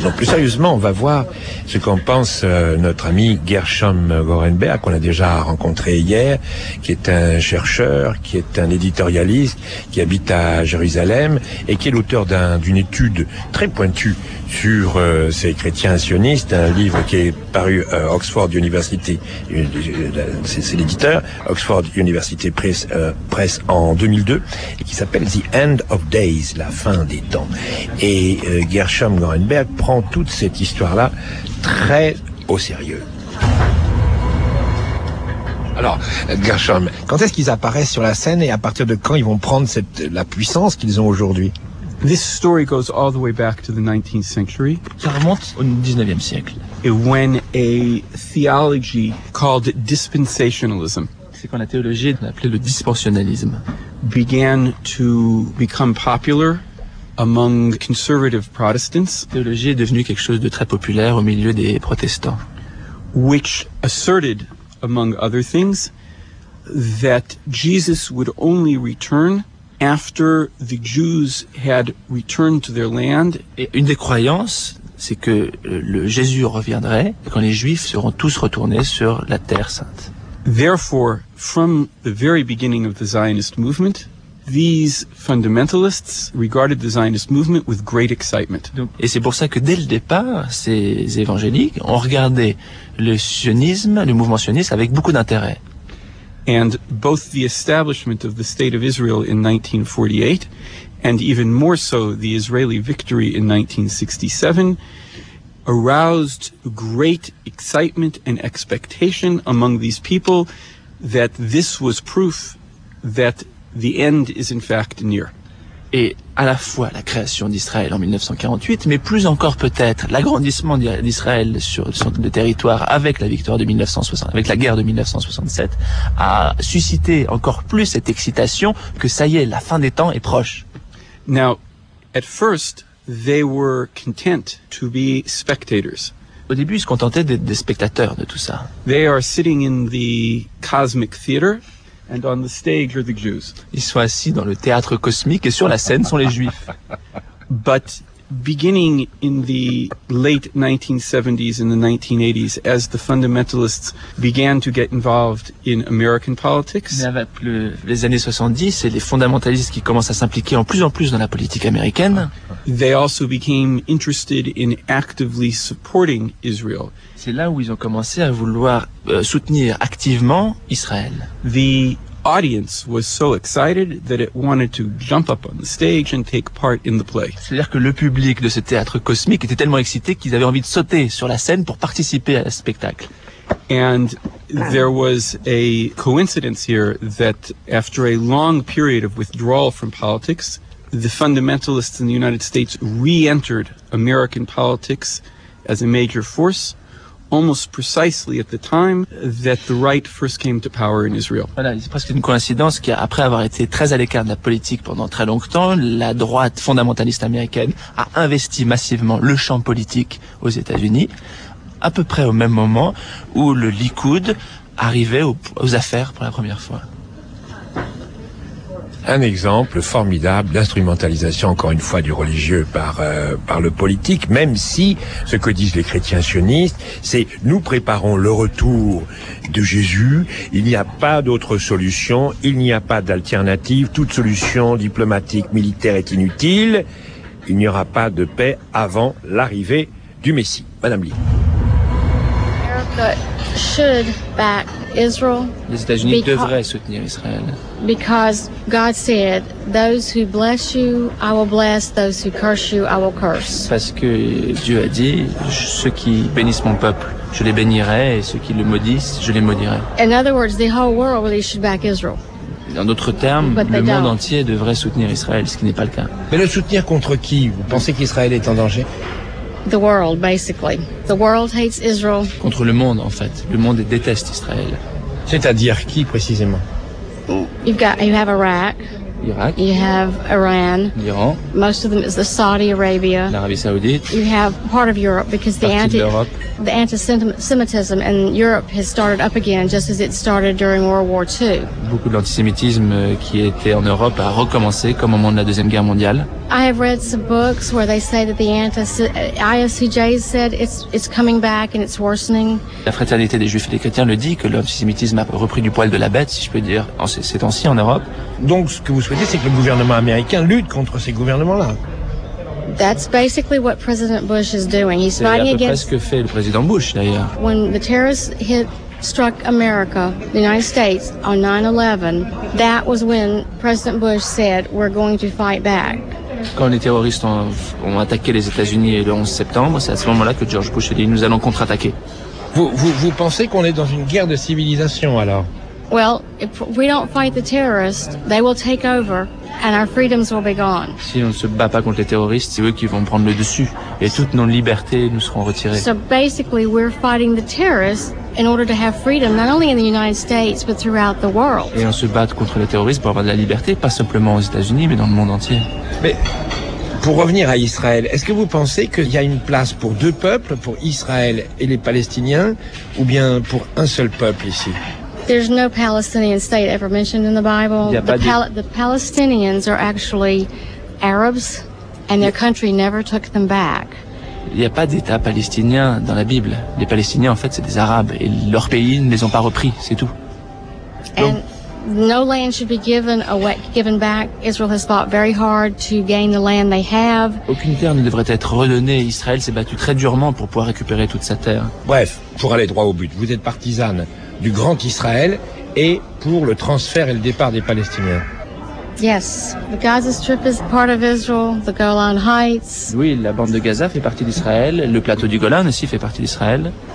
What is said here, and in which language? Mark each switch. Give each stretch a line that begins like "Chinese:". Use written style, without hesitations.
French: Donc, plus sérieusement, on va voir ce qu'en pense notre ami Gershom Gorenberg, qu'on a déjà rencontré hier, qui est un chercheur, qui est un éditorialiste, qui habite à Jérusalem et qui est l'auteur d'une étude très pointue sur ces chrétiens sionistes, un livre qui est paru Oxford University, c'est l'éditeur, Oxford University Press en 2002, et qui s'appelle The End of Days, la fin des temps. Et Gershom Gorenberg prend toute cette histoire-là très au sérieux. Alors, Gershom, quand est-ce qu'ils apparaissent sur la scène et à partir de quand ils vont prendre la puissance qu'ils ont aujourd'hui?
English: This story goes all the way back to the 19th century.
French: Ça remonte au 19e siècle. Et
English: when a theology called dispensationalism,
French: c'est quand la théologie appelée le dispensationalisme,
English: began to become popular among conservative Protestants.
French: La théologie est devenue quelque chose de très populaire au milieu des protestants.
English: Which asserted, among other things, that Jesus would only return after the Jews had returned to their land.
French: Et une des croyances, c'est que le Jésus reviendrait quand les Juifs seront tous retournés sur la Terre Sainte.
English: Therefore, from the very beginning of the Zionist movement, these fundamentalists regarded the Zionist movement with great excitement.
French: Et c'est pour ça que dès le départ, ces évangéliques ont regardé le sionisme, le mouvement sioniste, avec beaucoup d'intérêt.
English: And both the establishment of the State of Israel in 1948, and even more so the Israeli victory in 1967, aroused great excitement and expectation among these people that this was proof that the end is in fact near.
French: Et à la fois la création d'Israël en 1948, mais plus encore peut-être l'agrandissement d'Israël sur le territoire avec la victoire de 1967, avec la guerre de 1967, a suscité encore plus cette excitation que ça y est, la fin des temps est proche.
English: Now, at first, they were content to be spectators.
French: Au début, ils se contentaient d'être des spectateurs de tout ça.
English: They are sitting in the cosmic theater. And on the stage are the Jews.
French: Ils sont assis dans le théâtre cosmique et sur la scène sont les Juifs.
English: But beginning in the late 1970s and the 1980s, as the fundamentalists began to get involved in American politics,
French: mais avec les années 70 et les fondamentalistes qui commencent à s'impliquer en plus dans la politique américaine,
English: they also became interested in actively supporting Israel.
French: C'est là où ils ont commencé à vouloir soutenir activement Israël.
English: The audience was so excited that it wanted to jump up on the stage and take part in the play.
French: C'est-à-dire que le public de ce théâtre cosmique était tellement excité qu'ils avaient envie de sauter sur la scène pour participer à ce spectacle.
English: And there was a coincidence here that after a long period of withdrawal from politics, the fundamentalists in the United States re-entered American politics as a major force. Almost precisely at the time that the right first came to power in Israel.
French: Voilà, c'est presque une coïncidence qu'après avoir été très à l'écart de la politique pendant très longtemps, la droite fondamentaliste américaine a investi massivement le champ politique aux États-Unis, à peu près au même moment où le Likoud arrivait aux affaires pour la première fois. Un exemple formidable d'instrumentalisation, encore une fois, du religieux par le politique, même si ce que disent les chrétiens sionistes, c'est nous préparons le retour de Jésus, il n'y a pas d'autre solution, il n'y a pas d'alternative, toute solution diplomatique, militaire est inutile, il n'y aura pas de paix avant l'arrivée du Messie. Madame Lee.
English: Should back Israel.
French: Les États-Unis devraient soutenir Israël.
English: Because God said, those who bless you, I will bless; those who curse you, I will curse.
French: Parce que Dieu a dit, ceux qui bénissent mon peuple, je les bénirai, et ceux qui le maudissent, je les maudirai.
English: In other words, the whole world really should back Israel.
French: En d'autres termes, le monde entier devrait soutenir Israël, ce qui n'est pas le cas. Mais le soutenir contre qui? Vous pensez qu'Israël est en danger?
English: The world, basically. The world hates Israel.
French: Contre le monde, en fait. Le monde déteste Israël. C'est-à-dire qui, précisément?
English: You have Iraq.
French: Irak.
English: You have Iran.
French: L'Iran.
English: Most of them is the Saudi Arabia.
French: L'Arabie Saoudite.
English: You have part of Europe because the anti-Semitism in Europe has started up again, just as it started during World War II.
French: Beaucoup de l'antisémitisme qui était en Europe a recommencé comme au moment de la Deuxième Guerre mondiale.
English: I have read some books where they say that the ISCJ said it's coming back and it's worsening.
French: La Fraternité des Juifs et des Chrétiens le dit que l'antisémitisme a repris du poil de la bête, si je peux dire, en ces temps-ci en Europe. Donc ce que vous souhaitez, c'est que le gouvernement américain lutte contre ces gouvernements-là.
English: That's basically what President Bush is doing. He's fighting against.
French: C'est ce que fait le président Bush d'ailleurs.
English: When the terrorists struck America, the United States, on 9/11, that was when President Bush said we're going to fight back.
French: Quand les terroristes ont attaqué les États-Unis le 11 septembre, c'est à ce moment-là que George Bush a dit nous allons contre-attaquer. Vous pensez qu'on est dans une guerre de civilisation alors?
English: Well, if we don't fight the terrorists, they will take over. And our freedoms will be gone.
French: Si on ne se bat pas contre les terroristes, c'est eux qui vont prendre le dessus. Et toutes nos libertés nous seront retirées.
English: So basically, we're fighting the terrorists in order to have freedom, not only in the United States, but throughout the world.
French: Et on se bat contre les terroristes pour avoir de la liberté, pas simplement aux États-Unis, mais dans le monde entier. Mais pour revenir à Israël, est-ce que vous pensez qu'il y a une place pour deux peuples, pour Israël et les Palestiniens, ou bien pour un seul peuple ici?
English: There's no Palestinian state ever mentioned in the Bible. The Palestinians are actually Arabs, and their country never took them back.
French: Il n'y a pas d'État palestinien dans la Bible. Les Palestiniens, en fait, c'est des Arabes, et leur pays ne les ont pas repris, c'est tout.
English: And no land should be given back. Israel has fought very hard to gain the land they have.
French: Aucune terre ne devrait être redonnée. Israël s'est battu très durement pour pouvoir récupérer toute sa terre. Bref, pour aller droit au but, vous êtes partisane du grand Israël et pour le transfert et le départ des Palestiniens.
English: Yes, the Gaza Strip is part of Israel, the Golan Heights.
French: Oui, la bande de Gaza fait partie d'Israël, le plateau du Golan aussi fait partie d'Israël.